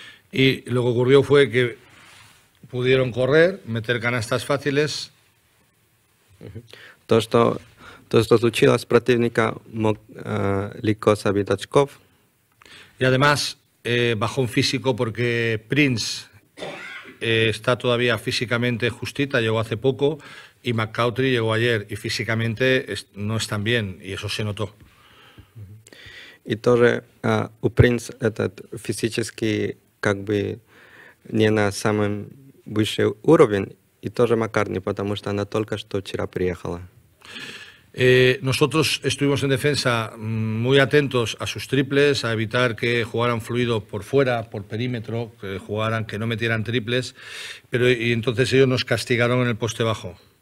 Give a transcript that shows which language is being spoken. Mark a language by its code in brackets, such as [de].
[es] И lo que ocurrió fue que pudieron correr, meter canastas fáciles. [ru] То, что случилось, противника мог легко забить очков. [es] И además bajón físico porque Prince está todavía físicamente justita, llegó hace poco, y McCautry llegó ayer, y físicamente no están bien, y eso se notó. [ru] Y тоже у Prince этот физически как бы не на самом высшем уровне, и тоже McCartney, потому что она только что вчера приехала. [es] Nosotros estuvimos en defensa muy atentos a sus triples, a evitar que jugaran fluido por fuera, por perímetro, que jugaran, que no metieran triples, pero y entonces ellos nos castigaron en el poste bajo.